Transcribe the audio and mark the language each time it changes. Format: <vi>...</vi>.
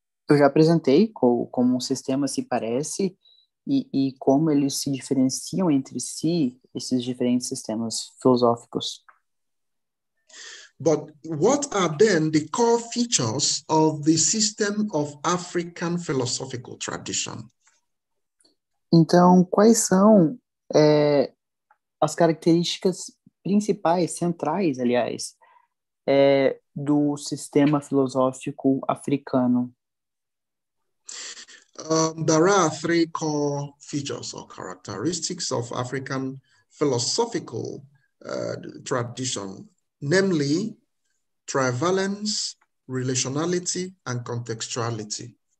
<pt>Eu já apresentei como um sistema se parece e como eles se diferenciam entre si, esses diferentes sistemas filosóficos.</pt> <en>But what are then the core features of the system of African philosophical tradition?</en> <pt>Então, quais são as características principais, centrais, aliás, do sistema filosófico africano?</pt> <en>There are three core features or characteristics of African philosophical tradition, namely trivalence, relationality, and contextuality.</en>